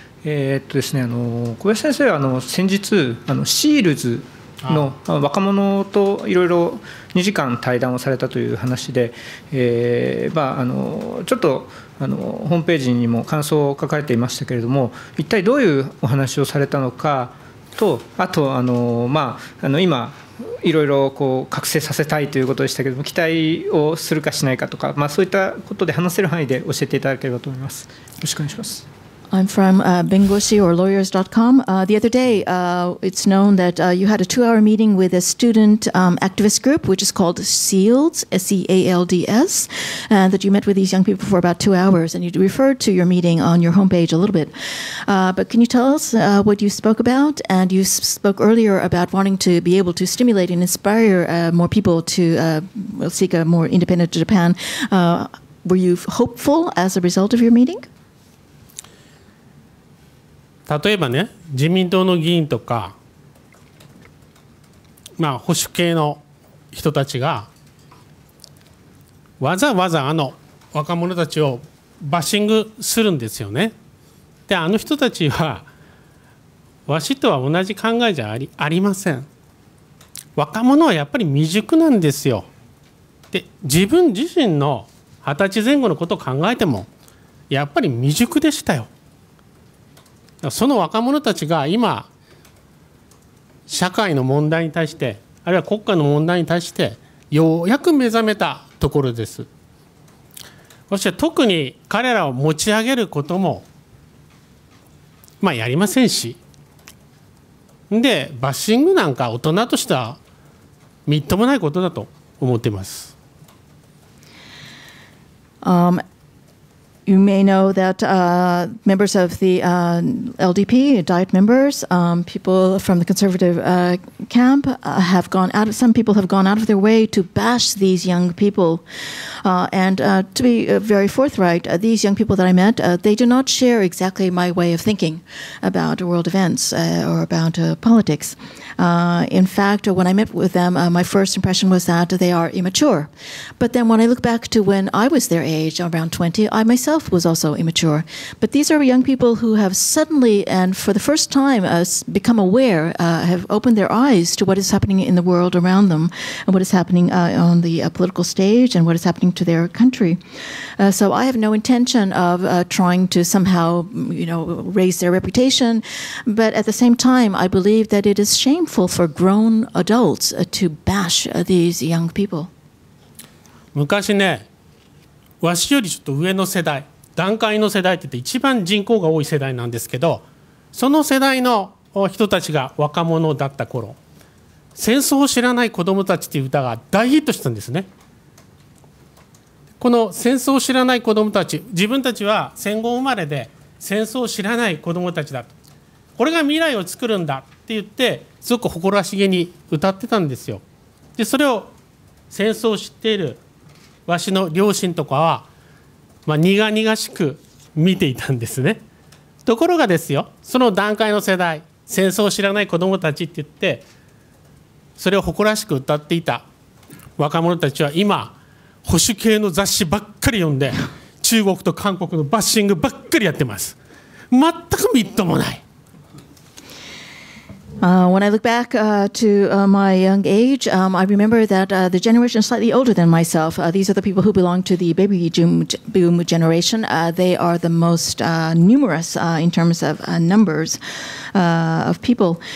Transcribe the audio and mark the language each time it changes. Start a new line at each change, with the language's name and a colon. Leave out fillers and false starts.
Japanese: ですね、小林先生は先日シールズの若者といろいろ2時間対談をされたという話で、ちょっとホームページにも感想を書かれていましたけれども、一体どういうお話をされたのかと、あと今いろいろこう覚醒させたいということでしたけれども、期待をするかしないかとか、そういったことで話せる範囲で教えていただければと思います。よろしくお願いします。
English: I'm from Bengoshi or lawyers.com. The other day, it's known that you had a two-hour meeting with a student activist group, which is called SEALDS, S-E-A-L-D-S, and that you met with these young people for about 2 hours, and you referred to your meeting on your homepage a little bit. But can you tell us what you spoke about? And you spoke earlier about wanting to be able to stimulate and inspire more people to seek a more independent Japan. Were you hopeful as a result of your meeting?
Japanese: 例えばね、自民党の議員とか、まあ、保守系の人たちがわざわざあの若者たちをバッシングするんですよね。で、あの人たちはわしとは同じ考えじゃありません。若者はやっぱり未熟なんですよ。で、自分自身の二十歳前後のことを考えてもやっぱり未熟でしたよ。その若者たちが今社会の問題に対して、あるいは国家の問題に対してようやく目覚めたところです。そして特に彼らを持ち上げることも、まあ、やりませんし、でバッシングなんか大人としてはみっともないことだと思っています。
English: You may know that members of the LDP, Diet members, people from the conservative camp have gone out. Some people have gone out of their way to bash these young people. To be very forthright, these young people that I met, they do not share exactly my way of thinking about world events or about politics. In fact, when I met with them, my first impression was that they are immature. But then when I look back to when I was their age, around 20, I myself was also immature. But these are young people who have suddenly and for the first time become aware, have opened their eyes to what is happening in the world around them and what is happening on the political stage and what is happening to their country. So I have no intention of trying to somehow, you know, raise their reputation. But at the same time, I believe that it is shameful for grown adults to bash these young people.
Japanese: 昔ね、わしよりちょっと上の世代、団塊の世代って言って一番人口が多い世代なんですけど、その世代の人たちが若者だった頃、戦争を知らない子どもたちっていう歌が大ヒットしたんですね。この戦争を知らない子どもたち、自分たちは戦後生まれで戦争を知らない子どもたちだと、これが未来を作るんだって言ってすごく誇らしげに歌ってたんですよ。で、それを戦争を知っているわしの両親とかは、まあ、苦々しく見ていたんですね。ところがですよ、その団塊の世代、戦争を知らない子どもたちって言ってそれを誇らしく歌っていた若者たちは、今保守系の雑誌ばっかり読んで中国と韓国のバッシングばっかりやってます。全くみっともない。
English: When I look back to my young age, I remember that the generation slightly older than myself, these are the people who belong to the baby boom generation. They are the most numerous in terms of numbers of people.